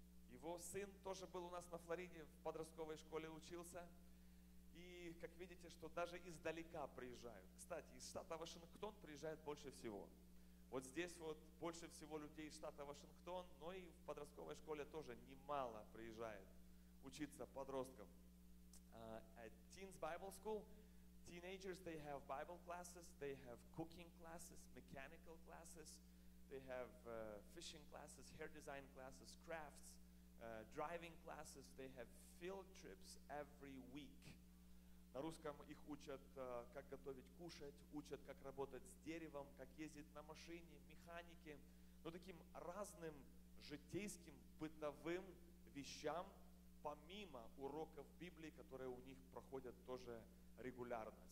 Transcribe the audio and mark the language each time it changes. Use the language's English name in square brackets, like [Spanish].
[Russian] Его сын тоже был у нас на Флориде, в подростковой школе учился. И, как видите, что даже издалека приезжают. Кстати, из штата Вашингтон приезжает больше всего. Вот здесь вот больше всего людей из штата Вашингтон, но и в подростковой школе тоже немало приезжает учиться подросткам. [English] At Teens Bible School, teenagers, they have Bible classes, they have cooking classes, mechanical classes, they have fishing classes, hair design classes, crafts. Driving classes, they have field trips every week. [Russian] На русском их учат, как готовить кушать, учат, как работать с деревом, как ездить на машине, механике. Ну, таким разным житейским, бытовым вещам, помимо уроков Библии, которые у них проходят тоже регулярно.